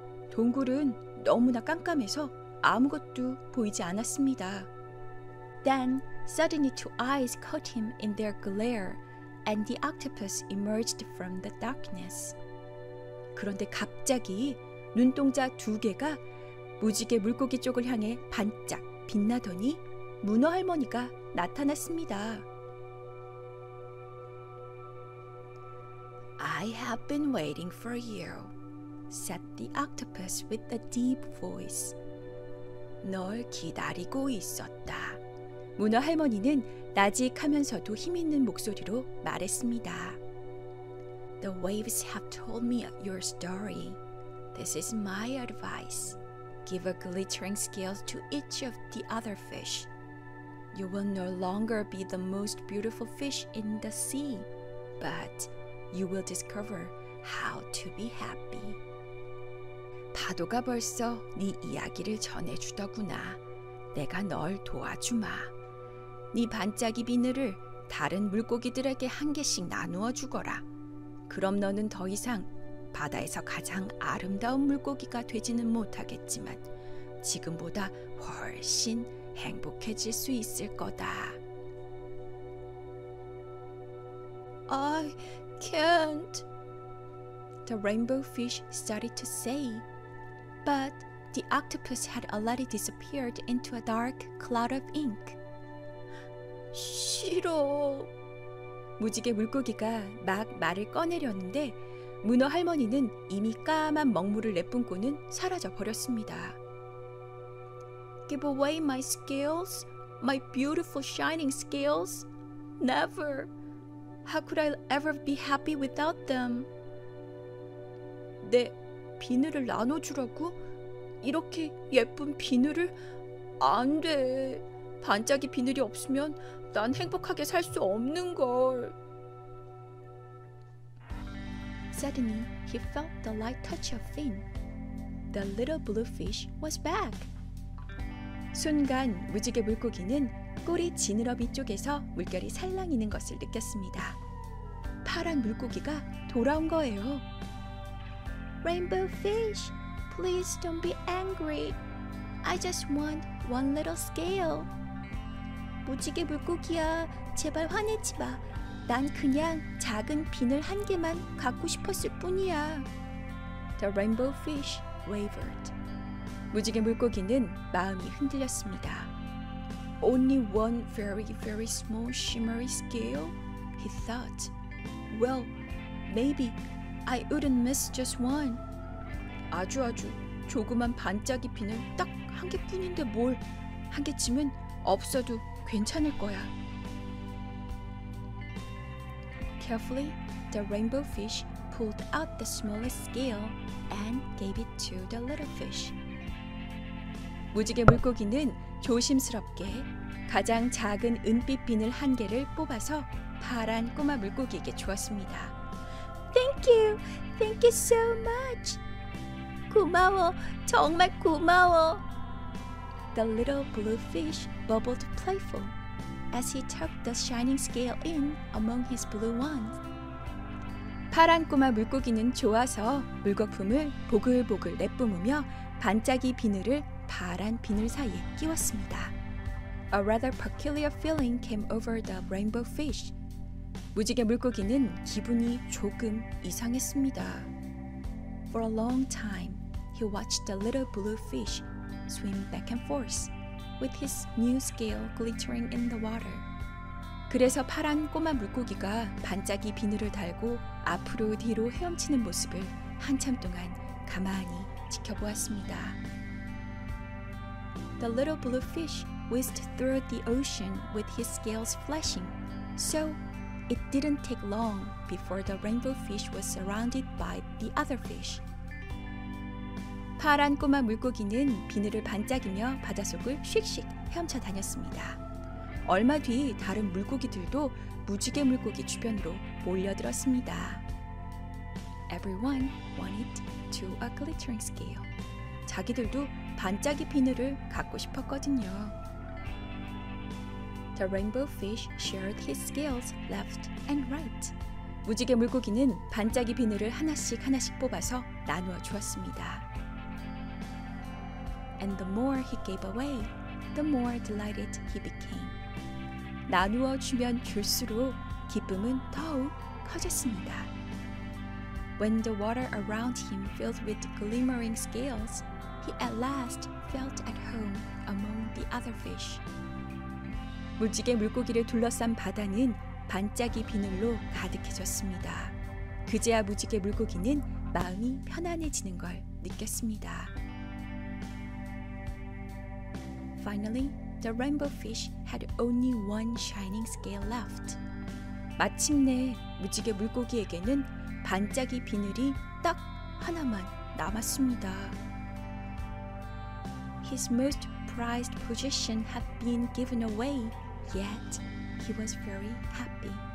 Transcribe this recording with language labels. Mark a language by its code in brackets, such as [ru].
[ko] 동굴은 너무나 깜깜해서 아무것도 보이지 않았습니다. [en] Then suddenly two eyes caught him in their glare and the octopus emerged from the darkness. [ko] 그런데 갑자기 눈동자 두 개가 무지개 물고기 쪽을 향해 반짝 빛나더니 문어 할머니가 나타났습니다. [en] I have been waiting for you, said the octopus with a deep voice. [ko] 널 기다리고 있었다. 문어 할머니는 나직하면서도 힘있는 목소리로 말했습니다. [en] The waves have told me your story. This is my advice. Give a glittering scale to each of the other fish. You will no longer be the most beautiful fish in the sea, but you will discover how to be happy. [ko] 파도가 벌써 네 이야기를 전해주더구나. 내가 널 도와주마. 네 반짝이 비늘을 다른 물고기들에게 한 개씩 나누어 주거라. 그럼 너는 더 이상 바다에서 가장 아름다운 물고기가 되지는 못하겠지만 지금보다 훨씬 행복해질 수 있을 거다. [en] I can't. The rainbow fish started to say, but the octopus had already disappeared into a dark cloud of ink. [ko] 싫어. 무지개 물고기가 막 말을 꺼내려는데 문어 할머니는 이미 까만 먹물을 내뿜고는 사라져 버렸습니다. [en] Give away my scales, my beautiful shining scales. Never. How could I ever be happy without them? [ko] 내 비늘을 나눠주라고? 이렇게 예쁜 비늘을? 안 돼. 반짝이 비늘이 없으면 난 행복하게 살 수 없는 걸. [en] Suddenly, he felt the light touch of fin. The little blue fish was back. [ko] 순간 무지개 물고기는 꼬리 지느러미 쪽에서 물결이 살랑이는 것을 느꼈습니다. 파란 물고기가 돌아온 거예요. [en] Rainbow fish, please don't be angry. I just want one little scale. [ko] 무지개 물고기야, 제발 화내지 마. 난 그냥 작은 비늘 한 개만 갖고 싶었을 뿐이야. [en] The rainbow fish wavered. [ko] 무지개 물고기는 마음이 흔들렸습니다. [en] Only one very, very small shimmery scale? He thought. Well, maybe I wouldn't miss just one. [ko] 아주 아주 조그만 반짝이 비늘 딱 한 개뿐인데 뭘. 한 개쯤은 없어도 괜찮을 거야. [en] Carefully, the rainbow fish pulled out the smallest scale and gave it to the little fish. [ko] 무지개 물고기는 조심스럽게 가장 작은 은빛 비늘 한 개를 뽑아서 파란 꼬마 물고기에게 주었습니다. [en] Thank you so much. [ko] 고마워, 정말 고마워. [en] The little blue fish bubbled playful as he tucked the shining scale in among his blue ones. [ko] 파란 꼬마 물고기는 좋아서 물거품을 보글보글 내뿜으며 반짝이 비늘을 파란 비늘 사이에 끼웠습니다. [en] A rather peculiar feeling came over the rainbow fish. [ko] 무지개 물고기는 기분이 조금 이상했습니다. [en] For a long time, he watched the little blue fish swim back and forth with his new scale glittering in the water. [ko] 그래서 파란 꼬마 물고기가 반짝이 비늘을 달고 앞으로 뒤로 헤엄치는 모습을 한참 동안 가만히 지켜보았습니다. [en] The little blue fish whizzed through the ocean with his scales flashing. So, it didn't take long before the rainbow fish was surrounded by the other fish. [ko] 파란 꼬마 물고기는 비늘을 반짝이며 바닷속을 씩씩 헤엄쳐 다녔습니다. 얼마 뒤 다른 물고기들도 무지개 물고기 주변으로 몰려들었습니다. [en] Everyone wanted to a glittering scale. [ko] 자기들도 반짝이 비늘을 갖고 싶었거든요. [en] The rainbow fish shared his scales left and right. [ko] 무지개 물고기는 반짝이 비늘을 하나씩 하나씩 뽑아서 나누어 주었습니다. [en] And the more he gave away, the more delighted he became. [ko] 나누어 주면 줄수록 기쁨은 더욱 커졌습니다. [en] When the water around him filled with glimmering scales, he at last felt at home among the other fish. [ko] 무지개 물고기를 둘러싼 바다는 반짝이 비늘로 가득해졌습니다. 그제야 무지개 물고기는 마음이 편안해지는 걸 느꼈습니다. [en] Finally, the rainbow fish had only one shining scale left. [ko] 마침내 무지개 물고기에게는 반짝이 비늘이 딱 하나만 남았습니다. [en] His most prized possession had been given away, yet he was very happy.